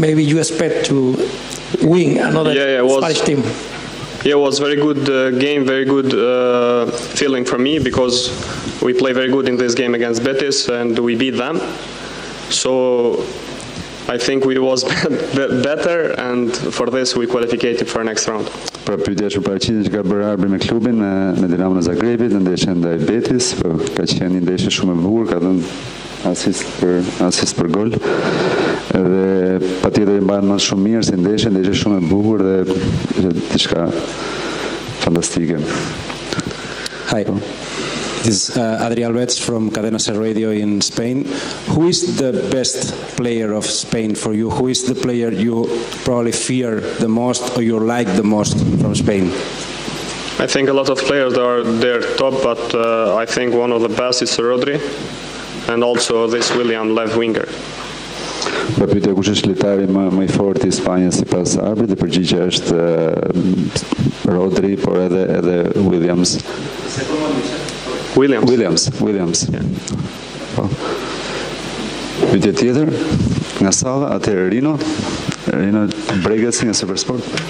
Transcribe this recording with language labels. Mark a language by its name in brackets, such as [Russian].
[English] Maybe you expect to win another Spanish team. Yeah, it was very good game, very good feeling for me, because we play very good in this game against Betis and we beat them. So I think we was better, and for this we qualified for next round. [Albanian] Pra pyetja është për paraqitjen që ka bërë arbitri me klubin me Dinamo Zagrebit në ndeshjen ndaj Betis, po ka qenë një ndeshje shumë e bukur, ka dhënë asist për gol. Edhe patjetër e mbajnë më shumë mirë si ndeshje, ndeshje shumë e bukur dhe ishte diçka fantastike. [English] Hi. This is Adri Alves from Cadena Ser Radio in Spain. Who is the best player of Spain for you? Who is the player you probably fear the most or you like the most from Spain? I think a lot of players are their top, but I think one of the best is Rodri, and also this William left winger. [Albanian] Po pyetja kush është lojtari më i fortë i Spanjës sipas arbitrit, dhe përgjigjja është Rodri, por edhe Williams. Williams. Po. Pyetje tjetër nga salla, atëherë Rino Bregas nga Supersport.